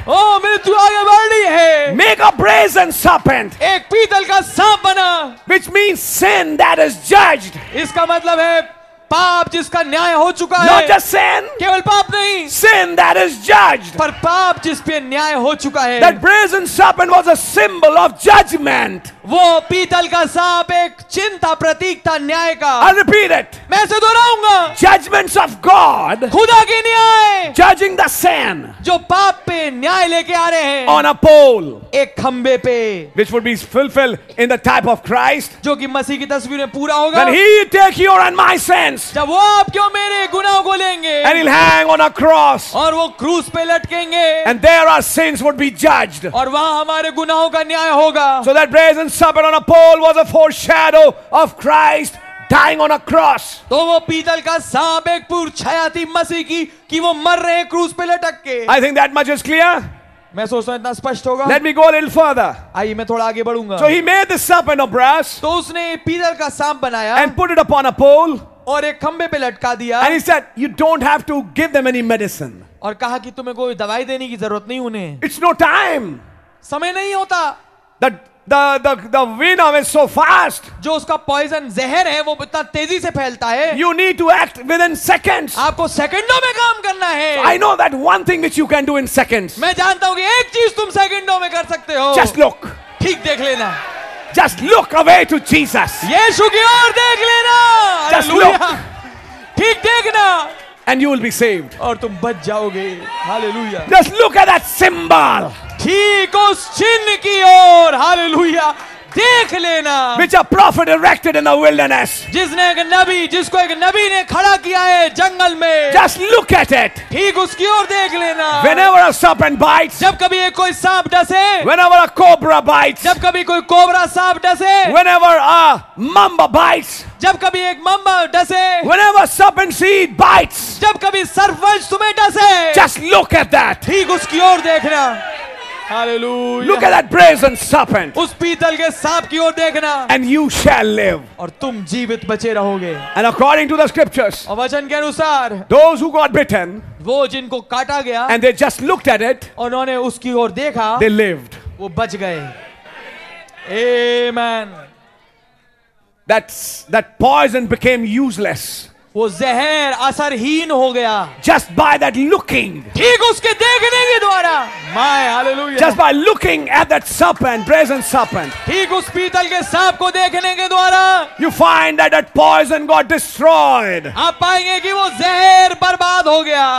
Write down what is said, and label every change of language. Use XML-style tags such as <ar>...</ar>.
<hi>ओ मृत्यु आगे बढ़ रही है.</hi> <en>Make a brazen serpent.</en> <hi>एक पीतल का सांप बना.</hi> <en>Which means sin that is judged.</en> <hi>इसका मतलब है पाप जिसका न्याय हो चुका</hi> <en>Not</en> <hi>है.</hi> <en>Not just sin.</en> <hi>केवल पाप नहीं.</hi> <en>Sin that is judged.</en> <hi>पर पाप जिस पे न्याय हो चुका है.</hi> <en>That brazen serpent was a symbol of judgment.</en> <hi>वो पीतल का सांप एक चिंता प्रतीक था न्याय का.</hi> <en>I'll repeat it.</en> <hi>मैं इसे दोहराऊंगा.</hi> <en>Judgments of God.</en> <hi>खुदा के न्याय.</hi> <en>Judging the sin.</en> <hi>जो पाप पे न्याय लेके आ रहे हैं.</hi> <en>On a pole.</en> <hi>एक खंबे पे.</hi> <en>Which would be fulfilled in the type of Christ.</en> <hi>जो कि मसीह की तस्वीर में पूरा होगा.</hi> <en>When he take your and my sin.</en> <hi>जब वो आपके मेरे गुनाहों को लेंगे</hi> <en>and he'll hang on a cross</en> <hi>और वो क्रूस पे लटकेंगे</hi> <en>and there our sins would be judged</en> <hi>और वहां हमारे गुनाहों का न्याय होगा.</hi> <en>So that brazen serpent on a pole was a foreshadow of Christ dying on a cross.</en> <hi>तो वो पीतल का सांप एक पूर्व छाया थी मसीह की कि वो मर रहे हैं क्रूस पे लटक के.</hi> <en>I think that much is clear.</en> <hi>मैं सोचता हूं इतना स्पष्ट होगा.</hi> <en>Let me go a little further.</en> <hi>आइए मैं थोड़ा आगे बढ़ूंगा.</hi> <en>So he made the serpent of brass.</en> <hi>तो उसने पीतल का सांप बनाया</hi> <en>and put it upon a pole</en> <hi>और एक खंबे पे लटका दिया.</hi> <en>And he said, you don't have to give them any medicine.</en> <hi>और कहा कि तुम्हें कोई दवाई देने की जरूरत नहीं उन्हें.</hi> <en>It's no time.</en> <hi>समय नहीं होता.</hi> <en>The venom is so fast.</en> <hi>जो उसका पॉइजन जहर है वो इतना तेजी से फैलता है.</hi> <en>You need to act within seconds.</en> <hi>आपको सेकंडों में काम करना है.</hi> <en>I know that one thing which you can do in seconds.</en> <hi>मैं जानता हूं कि एक चीज तुम सेकंडों में कर सकते हो.</hi> <en>Just look.</en> <hi>ठीक देख लेना.</hi> <en>Just look away to Jesus.</en> <hi>यीशु की ओर देख लेना.</hi> <en>Just look.</en> <hi>ठीक देखना.</hi> <en>And you will be saved.</en> <hi>और तुम बच जाओगे. Hallelujah.</hi> <en>Just look at that symbol.</en> <hi>ठीक उस चिन्ह की ओर. Hallelujah. देख लेना.</hi> <en>Which a prophet erected in the wilderness.</en> <hi>जिसने एक नबी, जिसको एक नबी ने खड़ा किया है जंगल में.</hi> <en>Just look at it.</en> <hi>ठीक उसकी ओर देख लेना.</hi> <en>Whenever a serpent bites.</en> <hi>जब कभी एक कोई सांप डसे.</hi> <en>Whenever a cobra bites.</en> <hi>जब कभी कोई कोबरा सांप डसे.</hi> <en>Whenever a mamba bites.</en> <hi>जब कभी एक mamba डसे.</hi> <en>Whenever a serpent seed bites.</en> <hi>जब कभी सर्पवंश तुम्हें डसे.</hi> <en>Just look at that.</en> <hi>ठीक उसकी ओर देखना. Hallelujah.</hi> <en>Look at that brazen serpent.</en> <hi>उस पीतल के सांप की ओर देखना.</hi> <en>And you shall live.</en> <hi>और तुम जीवित बचे रहोगे.</hi> <en>And according to the scriptures.</en> <hi>और वचन के अनुसार.</hi> <en>Those who got bitten.</en> <hi>वो जिनको काटा गया.</hi> <en>And they just looked at it.</en> <hi>उन्होंने उसकी ओर देखा.</hi> <en>They lived.</en> <hi>वो बच गए. Amen.</hi> <en>That poison became useless.</en> <hi>वो जहर असरहीन हो गया.</hi> <en>Just by that looking.</en> <hi>ठीक उसके देखने के द्वारा.</hi> <en>My hallelujah. Just by looking at that serpent brazen serpent.</en> <hi>ठीक उस पीतल के सांप को देखने के द्वारा.</hi> <en>You find that poison got destroyed.</en> <hi>आप पाएंगे कि वो जहर बर्बाद हो गया.</hi>